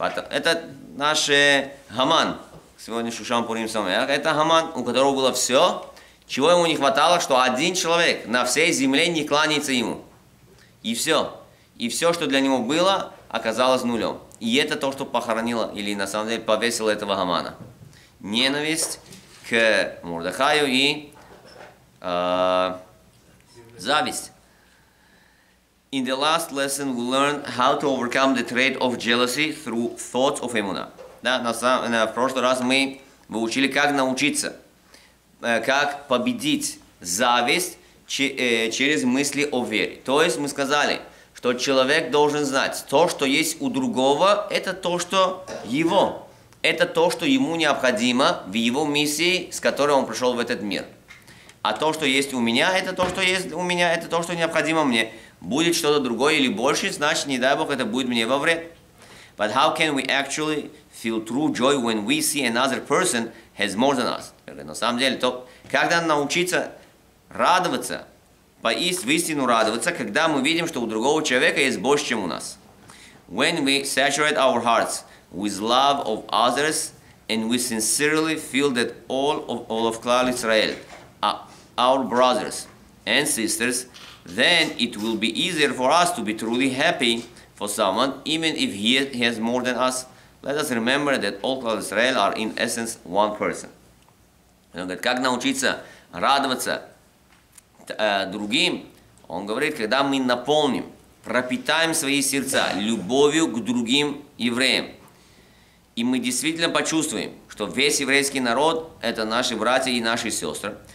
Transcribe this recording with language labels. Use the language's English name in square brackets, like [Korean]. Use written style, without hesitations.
[Russian] Это наш Гаман, сегодня Шушан Пурим Самеа, это Гаман, у которого было все, чего ему не хватало, что один человек на всей земле не кланяется ему. И все. И все, что для него было, оказалось нулем. И это то, что похоронило, или на самом деле повесило этого Гамана. Ненависть к Мордехаю и зависть. [English] In the last lesson we learned how to overcome the trait of jealousy through thoughts of emuna. [Russian] Да, на прошлый раз мы выучили, как научиться, как победить зависть через мысли о вере. То есть мы сказали, что человек должен знать, то, что есть у другого, это то, что его. Это то, что ему необходимо в его миссии, с которой он пришел в этот мир. А то, что есть у меня, это то, что есть у меня, это то, что необходимо мне. Будет что-то другое или больше, значит, не дай Бог, это будет мне во вред. [English] But how can we actually feel true joy when we see another person has more than us? [Russian] На самом деле, то, когда научиться радоваться, поистину радоваться, когда мы видим, что у другого человека есть больше, чем у нас. [English] When we saturate our hearts with love of others, and we sincerely feel that all of Klal Israel, our brothers and sisters, then it will be easier for us to be truly happy for someone, even if he has more than us. Let us remember that all Klal Israel are in essence one person. [Russian] Он говорит, как научиться радоваться другим? Он говорит, когда мы наполним, пропитаем свои сердца любовью к другим евреям. И мы действительно почувствуем, что весь еврейский народ – это наши братья и наши сестры.